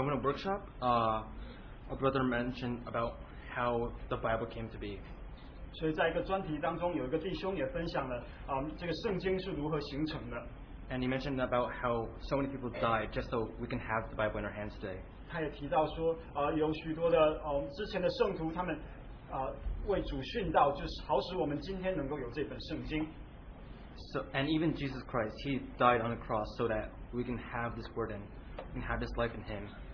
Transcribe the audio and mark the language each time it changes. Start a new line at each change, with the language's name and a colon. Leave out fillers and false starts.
English: in a workshop, a brother mentioned about how the Bible came to be.
Chinese: 所以在一个专题当中，有一个弟兄也分享了，这个圣经是如何形成的。
English: And he mentioned about how so many people died just so we can have the Bible in our hands today.
Chinese: 他也提到说，有许多的之前的圣徒，他们为主殉道，就是好使我们今天能够有这本圣经。
English: So and even Jesus Christ, he died on the cross so that we can have this word in, and have this life in him.